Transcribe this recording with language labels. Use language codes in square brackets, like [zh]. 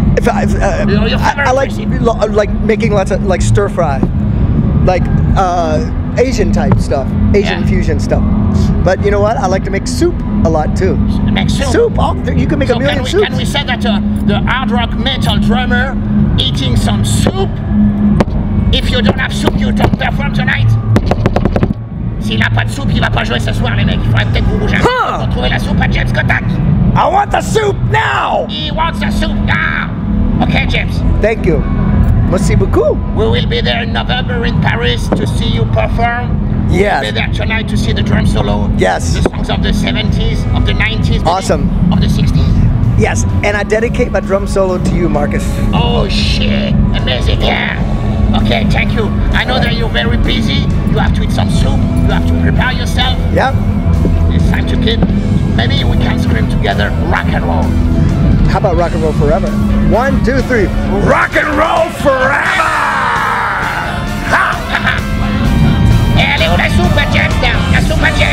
[en] I like making lots of like stir fry, like Asian type stuff, Asian fusion stuff. But you know what? I like to make soup a lot too. Make soup? Soup? Oh, you can make a million soups. Can we say that the hard rock metal drummer eating some soup? If you don't have soup, you don't perform tonight. [fr] S'il n'a pas de soupe, il va pas jouer ce soir, les mecs. Il faudrait peut-être vous bouger. Vous trouvez la soupe à James Kottak. [en] I want the soup now! He wants the soup now! Okay, James. Thank you. [fr] Merci beaucoup. [en] We will be there in November in Paris to see you perform. Yes. We'll be there tonight to see the drum solo. Yes. The songs of the 70s, of the 90s. Awesome. Of the 60s. Yes, and I dedicate my drum solo to you, Markus. Oh, shit. Amazing, yeah. Okay, thank you. I know that you're very busy. You have to eat some soup. You have to prepare yourself. Yep. It's time to kid. Maybe we can scream together rock and roll. How about rock and roll forever? 1, 2, 3. Rock and roll forever! [fr] Ha! Hey, allez, où la soupe, James? La soupe,